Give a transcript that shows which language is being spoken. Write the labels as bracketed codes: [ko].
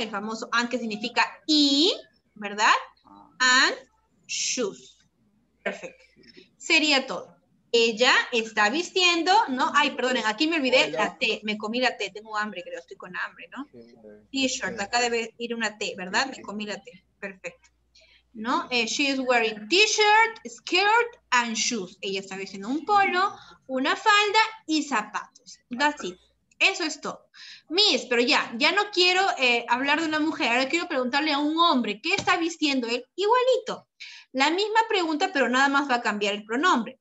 [es] El famoso and que significa y, ¿verdad? [en] And shoes. Perfect. [es] Sería todo. Ella está vistiendo, ¿no? Ay, perdonen, aquí me olvidé la T, me comí la T, tengo hambre, creo, estoy con hambre, ¿no? T-shirt, acá debe ir una T, ¿verdad? Me comí la T, perfecto. ¿No? [en] She is wearing t-shirt, skirt, and shoes. [es] Ella está vistiendo un polo, una falda y zapatos. [en] That's it. [es] Eso es todo. Miss, pero ya, ya no quiero hablar de una mujer, ahora quiero preguntarle a un hombre, ¿qué está vistiendo él? Igualito. La misma pregunta, pero nada más va a cambiar el pronombre.